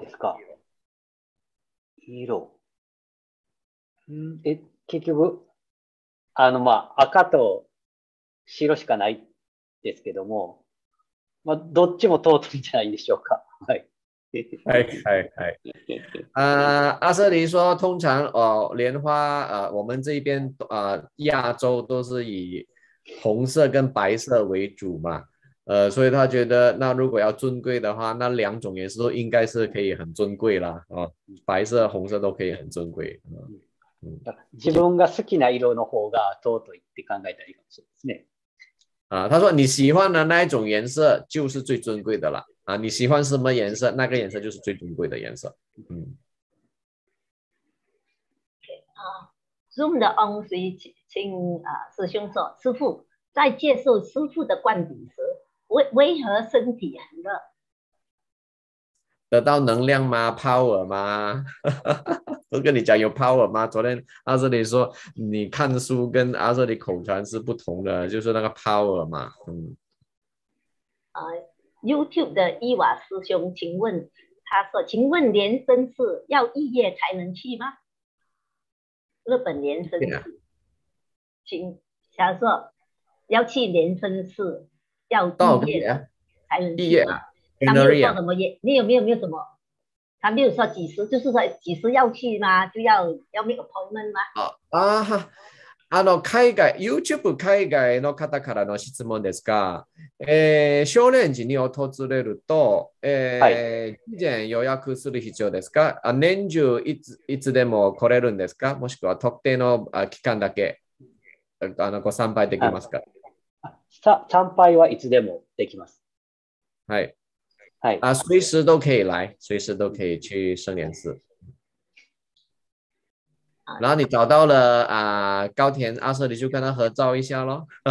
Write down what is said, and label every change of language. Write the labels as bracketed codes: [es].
[ja] ですか。色。え、結局まあ赤と白しかないですけども、まあどっちも尊いんじゃないでしょうか。はい。はいはいはい。 [zh] 阿瑟琳说，通常莲花我们这边亚洲都是以红色跟白色为主嘛。所以他觉得那如果要尊贵的话，那两种也是应该是可以很尊贵啦，白色红色都可以很尊贵。 [ja] 自分が好きな色の方が尊いって考えたらいいかもしれないですね。 [zh] 他说你喜欢的那一种颜色就是最尊贵的啦。你喜欢什么颜色，那个颜色就是最尊贵的颜色。 Zoom 的 on 请师兄说，师父在接受师父的灌顶时，为何身体很热？得到能量吗 ？Power 吗？我跟你讲，有 Power 吗？昨天阿舍利说，你看书跟阿舍利口传是不同的，就是那个 Power 嘛。 YouTube 的伊瓦师兄，请问他说，请问莲生寺要毕业才能去吗？日本莲生寺，请他说要去莲生寺。要毕业才能毕业啊？他没有说什么业，你有没有什么？他没有说几时，就是说几时要去吗？就要 [en] make appointment [zh] 吗？ [ja] 海外 YouTube 海外の方からの質問ですが、少年寺に訪れると、事前予約する必要ですか？年中いつでも来れるんですか？もしくは特定の期間だけご参拝できますか？参拝はいつでもできます。はい。はい。 [zh] 随时都可以来，随时都可以去圣莲寺。然后你找到了高田阿舍利，就跟他合照一下喽。